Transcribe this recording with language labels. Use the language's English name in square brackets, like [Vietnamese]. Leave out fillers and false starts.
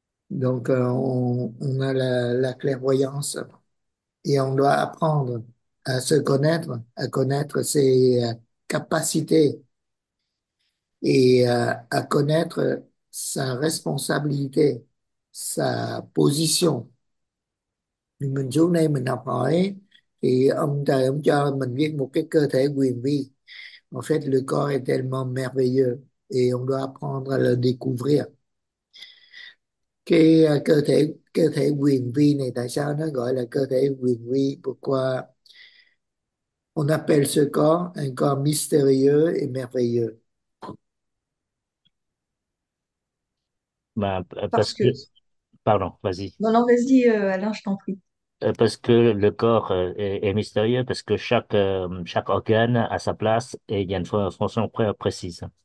[French] Donc, on a la clairvoyance et on doit apprendre à se connaître, à connaître ses capacités et à connaître sa responsabilité, sa position. [Vietnamese] Mình xuống đây mình học hỏi thì ông trời ông cho mình biết một cái cơ thể quyền vi. [French] En fait, le corps est tellement merveilleux et on doit apprendre à le découvrir. [Vietnamese] Cái cơ thể quyền vi này, tại sao nó gọi là cơ thể quyền vi? [French] Pourquoi on appelle ce corps un corps mystérieux et merveilleux? Ben, Parce que... pardon, vas-y. Non, non, vas-y, Alain, je t'en prie. Parce que le corps est mystérieux, parce que chaque organe a sa place et il y a une fonction précise.